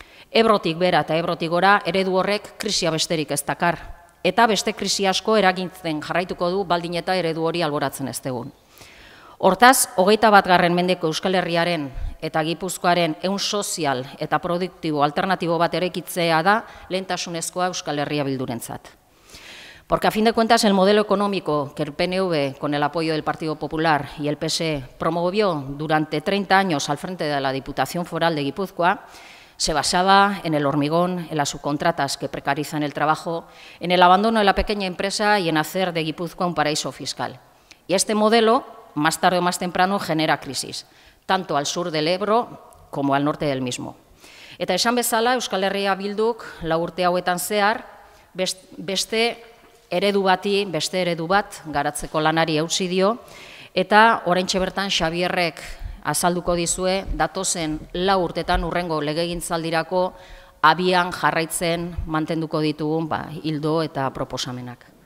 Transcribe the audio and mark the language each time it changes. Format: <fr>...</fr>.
<eu>Ebrotik bera eta ebrotik gora eredu horrek krisia besterik ez dakar, eta beste krisi asko eragintzen jarraituko du baldin eta eredu hori alboratzen ez dugun. Hortaz, 21. mendeko Euskal Herriaren eta Gipuzkoaren ehun sozial eta produktibo alternatibo bat eraikitzea da lehentasunezkoa Euskal Herria Bildurentzat.</eu> <es>Porque a fin de cuentas el modelo económico que el PNV con el apoyo del Partido Popular y el PSE promovió durante 30 años al frente de la Diputación Foral de Gipuzkoa se basaba en el hormigón, en las subcontratas que precarizan el trabajo, en el abandono de la pequeña empresa y en hacer de Gipuzkoa un paraíso fiscal. Y este modelo, más tarde o más temprano, genera crisis, tanto al sur del Ebro como al norte del mismo.</es> <eu>Eta esan bezala, Euskal Herria Bilduk, la urte hauetan zehar, beste eredu bati, beste eredu bat, garatzeko lanari eutsi dio, eta oraintxe bertan Xabierrek azalduko dizue, datozen lau urtetan urrengo legegintzaldirako abian jarraitzen mantenduko ditugun hildo eta proposamenak.</eu>